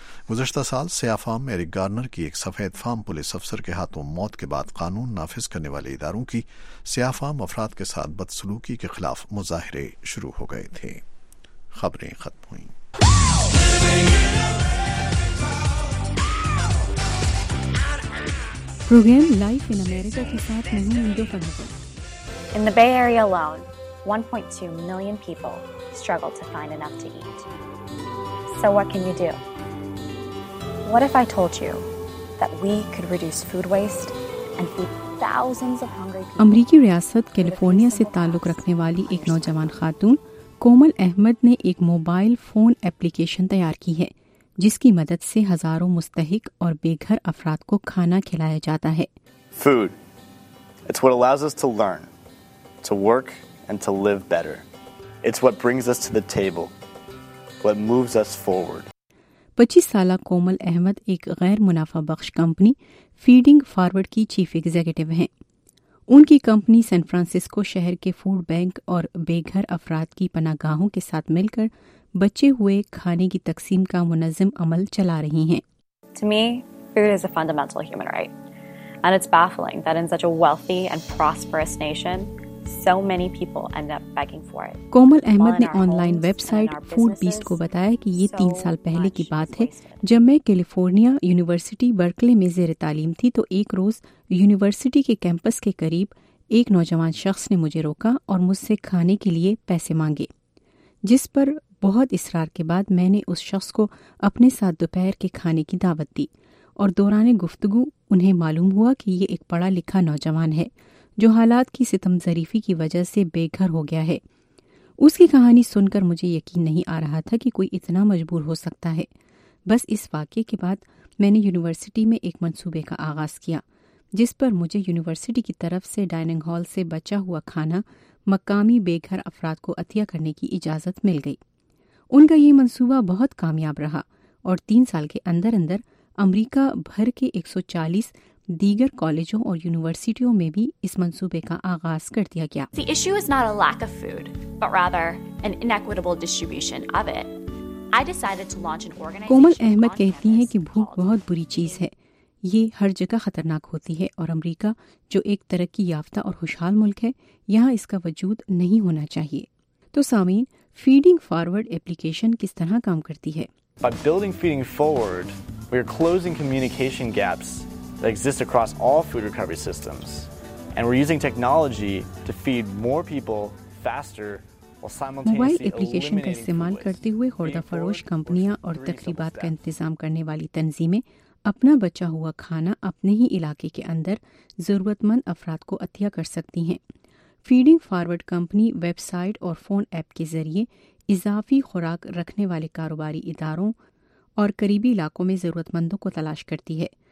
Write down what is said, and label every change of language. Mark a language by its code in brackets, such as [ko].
[ur] گزشتہ سال سیاہ فام ایرک گارنر کی ایک سفید فام پولیس افسر کے ہاتھوں موت کے بعد قانون نافذ کرنے والے اداروں کی سیاہ فام افراد کے ساتھ بدسلوکی کے خلاف مظاہرے شروع ہو گئے تھے. خبریں ختم ہوئیں. پروگرام لائف ان امریکہ کے ساتھ میں ہوں Indo فرنیٹر. [en] In the Bay Area alone, 1.2 million people struggle to find enough to eat. So what can you do? What if I told you that we could reduce food waste and feed thousands of hungry people? [ur] امریکی ریاست California سے تعلق رکھنے والی ایک نوجوان خاتون کومل احمد نے ایک موبائل فون اپلیکیشن تیار کی ہے جس کی مدد سے ہزاروں مستحق اور بے گھر افراد کو کھانا کھلایا جاتا ہے. [en] Food. It's what allows us to learn, to work and to live better. It's what brings us to the table, what moves us forward. [ur] 25 سالہ کومل احمد ایک غیر منافع بخش کمپنی فیڈنگ فارورڈ کی چیف ایگزیکٹو ہیں. ان کی کمپنی سین فرانسسکو شہر کے food bank اور بے گھر افراد کی پناہ گاہوں کے ساتھ مل کر بچے ہوئے کھانے کی تقسیم کا منظم عمل چلا رہی ہیں. [en] To me, food is a fundamental human right. And it's baffling that in such a wealthy and prosperous nation, so many people end up begging for it. [ur] کومل احمد نے on line web site food best کو بتایا کہ یہ 3 سال پہلے کی بات ہے. جب میں کیلیفورنیا یونیورسٹی برکلے میں زیر تعلیم تھی تو ایک روز یونیورسٹی کے کیمپس کے قریب ایک نوجوان شخص نے مجھے روکا اور مجھ سے کھانے کے لیے پیسے مانگے, جس پر بہت اصرار کے بعد میں نے اس شخص کو اپنے ساتھ دوپہر کے کھانے کی دعوت دی. اور دوران گفتگو انہیں معلوم ہوا کہ یہ ایک پڑھا لکھا نوجوان ہے جو حالات کی ستم ظریفی کی وجہ سے بے گھر ہو گیا ہے. اس کی کہانی سن کر مجھے یقین نہیں آ رہا تھا کہ کوئی اتنا مجبور ہو سکتا ہے. بس اس واقعے کے بعد میں نے یونیورسٹی میں ایک منصوبے کا آغاز کیا جس پر مجھے یونیورسٹی کی طرف سے ڈائننگ ہال سے بچا ہوا کھانا مقامی بے گھر افراد کو عطیہ کرنے کی اجازت مل گئی. ان کا یہ منصوبہ بہت کامیاب رہا اور 3 سال کے اندر اندر امریکہ بھر کے 140 دیگر کالجوں اور یونیورسٹیوں میں بھی اس منصوبے کا آغاز کر دیا گیا. [en] The issue is not a lack of food, but rather an inequitable distribution of it. I decided to launch an organization. [ur] کومل احمد کہتی ہیں کہ بھوک بہت بری چیز ہے, یہ ہر جگہ خطرناک ہوتی ہے اور امریکہ جو ایک ترقی یافتہ اور خوشحال ملک ہے یہاں اس کا وجود نہیں ہونا چاہیے. تو سامعین, فیڈنگ فارورڈ اپلیکیشن کس طرح کام کرتی ہے؟ [en] By building Feeding Forward, we are closing communication gaps that exist across all food recovery systems, and we're using technology to feed more people faster. [ur] Mobile application کا استعمال کرتے ہوئے خوردہ فروش کمپنیاں اور تقریبات کا انتظام کرنے والی تنظیمیں اپنا بچا ہوا کھانا اپنے ہی علاقے کے اندر ضرورت مند افراد کو عطیہ کر سکتی ہیں. Feeding forward company web site اور فون ایپ کے ذریعے اضافی خوراک رکھنے والے کاروباری اداروں اور قریبی علاقوں میں ضرورت مندوں کو تلاش کرتی ہے.